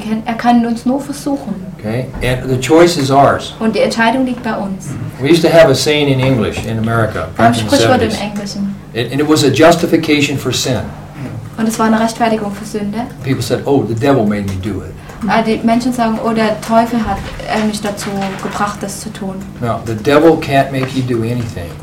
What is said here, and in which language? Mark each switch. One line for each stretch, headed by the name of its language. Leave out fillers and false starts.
German: Er kann uns nur versuchen.
English: Okay, and the choice is ours.
German: Und die Entscheidung liegt bei uns.
English: We used to have a saying in English in America. And it was a justification for sin.
German: Und es war eine Rechtfertigung für Sünde.
English: People said, oh, the devil made me do it.
German: Die Menschen sagen, oh, der Teufel hat mich dazu gebracht, das zu tun.
English: No, the devil can't make you do anything.